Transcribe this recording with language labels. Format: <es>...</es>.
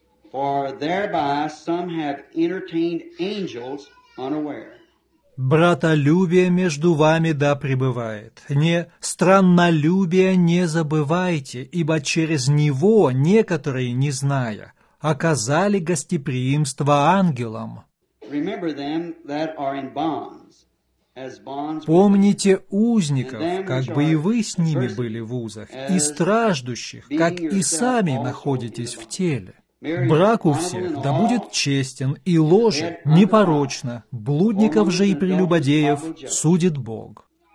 <en>For thereby some have entertained angels unaware.</en> <ru>Братолюбие между вами да пребывает. Не страннолюбие не забывайте, ибо через него некоторые, не зная, оказали гостеприимство ангелам.</ru> <en>Remember them that are in bonds, as bonds.</en> <ru>Помните узников, как бы и вы с ними были в узах, и страждущих, как и сами находитесь в теле. Брак у всех да будет честен, и ложе непорочно, блудников же и прелюбодеев судит Бог.</ru>